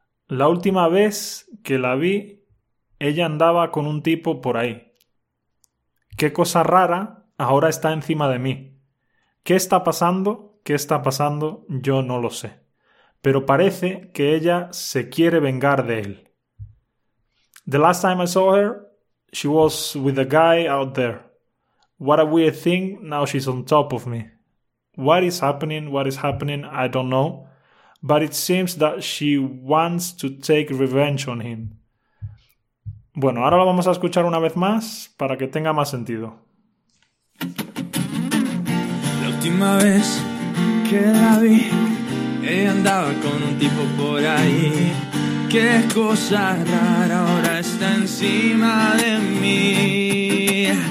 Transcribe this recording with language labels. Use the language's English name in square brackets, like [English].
[Spanish] La última vez que la vi, ella andaba con un tipo por ahí. ¿Qué cosa rara ahora está encima de mí? ¿Qué está pasando? ¿Qué está pasando? Yo no lo sé. Pero parece que ella se quiere vengar de él. [English] The last time I saw her, she was with a guy out there. What a weird thing, now she's on top of me. What is happening, I don't know. But it seems that she wants to take revenge on him. [Spanish] Bueno, ahora lo vamos a escuchar una vez más para que tenga más sentido. La última vez que la vi, ella andaba con un tipo por ahí. Qué cosa rara, ahora está encima de mí.